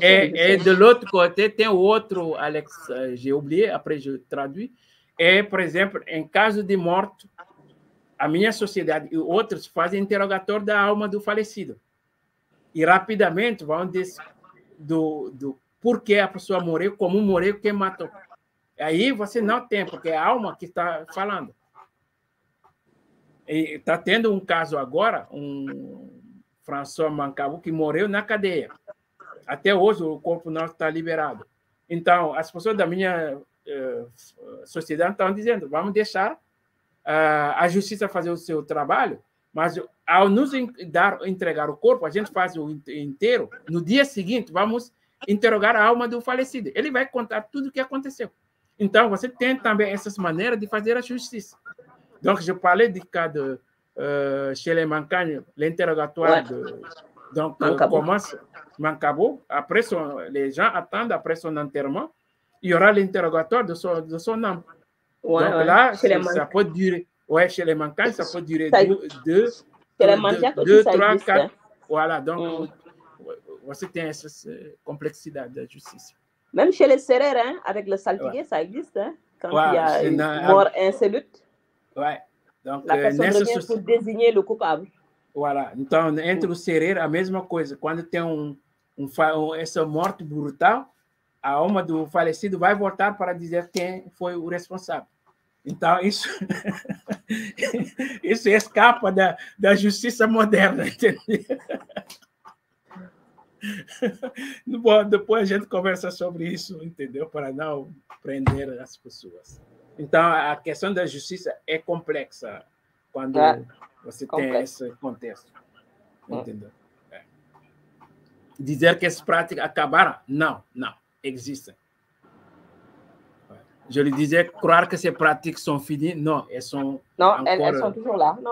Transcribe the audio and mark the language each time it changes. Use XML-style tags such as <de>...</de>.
<fr>Et de l'autre côté,</fr> <pt>tem outro,</pt> <fr>Alex, j'ai oublié, après je traduis. Et, par exemple, en cas de mort,</fr> <pt>a minha sociedade e outros fazem interrogatório da alma do falecido. E rapidamente vão do por que a pessoa morreu, como morreu, quem matou. Aí você não tem, porque é a alma que está falando. E está tendo um caso agora, François Mancabu, que morreu na cadeia. Até hoje o corpo não está liberado. Então, as pessoas da minha sociedade estão dizendo, vamos deixar a justiça fazer o seu trabalho, mas ao nos entregar o corpo, a gente faz o inteiro, no dia seguinte vamos interrogar a alma do falecido. Ele vai contar tudo o que aconteceu. Então, você tem também essas maneiras de fazer a justiça.</pt> <fr>Donc, je parlais du cas de chez les Mankagne, l'interrogatoire de donc, commence Mankabu. Après, les gens attendent après son enterrement. Il y aura l'interrogatoire de son âme. Ouais, donc ouais. Là, ça peut durer. Ouais, chez les Mankagne, ça peut durer deux, trois, quatre. Voilà, donc, c'était cette complexité de la justice. Même chez les Serrères, hein, avec le saltigué, ça existe. Hein, quand il y a mort insolute. Ouais. Donc, la personne revient pour désigner le coupable. Voilà. Donc, entre le serrer, la même chose. Quand il y a cette mort brutale, la âme du</fr> <pt>falecido va voltar</pt> <fr>pour dire qui</fr> <pt>foi</pt> <fr>le responsable. Donc,</fr> <pt>isso... isso escapa da</pt> <fr>justice moderne.</fr> <pt>Bon, depois a gente conversa sobre isso, entendeu? Para não prender as pessoas. Então, a questão da justiça é complexa quando você tem esse contexto. Entendeu? Dizer que essas práticas acabaram? Não. Existem.</pt> <fr>Je</fr> <pt>lhe</pt> <fr>disais, croire que ces pratiques sont finies? Non, elles sont encore... Non, elles sont toujours là.</fr>